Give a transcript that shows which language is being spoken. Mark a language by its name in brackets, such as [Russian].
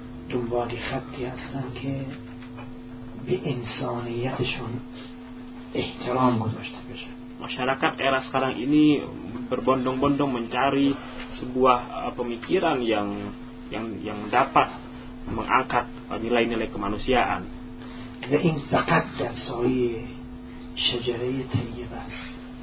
[Persian] دنبال خطی هستن که به انسانیتشون احترام گذاشته بشه. [Indonesian] Masyarakat era sekarang ini berbondong-bondong mencari sebuah pemikiran yang dapat mengangkat nilai-nilai kemanusiaan. [Persian] و این فقط در سایه شجره طیبه است.